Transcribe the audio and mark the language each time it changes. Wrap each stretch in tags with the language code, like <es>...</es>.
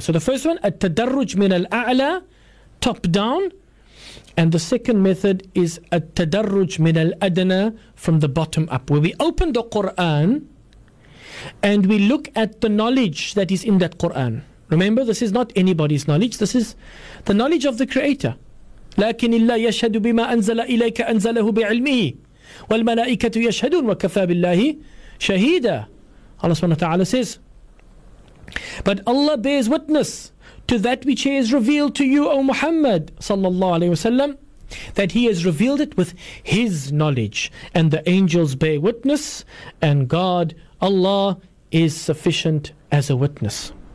<en>So the first one, at-tadarruj min al-a'la, top down. And the second method is at-tadarruj min al-adna, from the bottom up, where we open the Quran and we look at the knowledge that is in that Quran. Remember, this is not anybody's knowledge. This is the knowledge of the Creator.</en> <ar>لكن الله يشهد بما أنزل إليك أنزله بعلمه والملائكة يشهدون وكفى بالله شهيدا.</ar> <en>Allah subhanahu wa ta'ala says, but Allah bears witness to that which He has revealed to you, O Muhammad sallallahu alayhi wasallam, that He has revealed it with His knowledge, and the angels bear witness, and God, Allah, is sufficient as a witness.</en>